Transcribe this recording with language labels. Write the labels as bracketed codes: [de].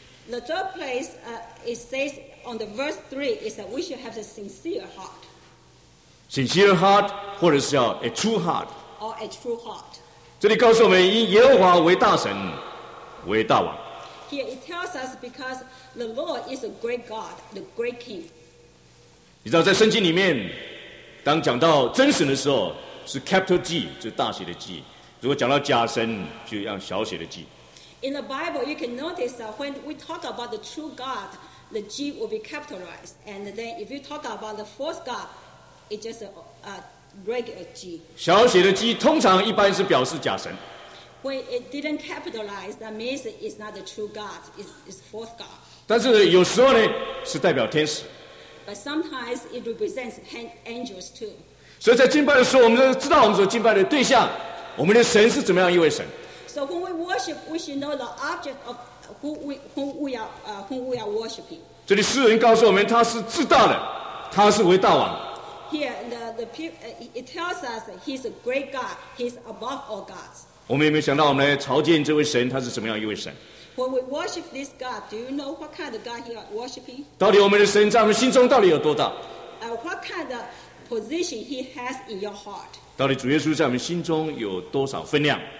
[en] The third place, it says on the verse 3 is that we should have a sincere heart. Sincere heart, [zh] 或者是叫 [en] a true heart. Or a true heart. [zh] 这里告诉我们，以耶和华为大神，为大王。 [en] Here it tells us because the Lord is a great God, the great King. [zh] 你知道在圣经里面，当讲到真神的时候，是 capital G, 就是大写的 G。如果讲到假神，就要小写的 G。 [en] In the Bible, you can notice that when we talk about the true God, the G will be capitalized. And then if you talk about the false God, it's just a regular G. [zh] 小写的 G 通常一般是表示假神。 [en] When it didn't capitalize, that means it's not the true God, it's false God. [zh] 但是有时候呢，是代表天使。 [en] But sometimes it represents angels too. [zh] 所以在敬拜的时候，我们就知道我们所敬拜的对象，我们的神是怎么样一位神。 [en] So when we worship, we should know the object of whom we are worshiping. [zh] 这里诗人告诉我们，他是至大的，他是为大王。 [en] Here it tells us he's a great God, he's above all gods. [zh] 我们有没有想到，我们来朝见这位神，他是怎么样一位神 [en] ？When we worship this God, do you know what kind of God he are worshiping? [zh] 到底我们的神在我们心中到底有多大 [en] ？What kind of position he has in your heart? [zh] 到底主耶稣在我们心中有多少分量？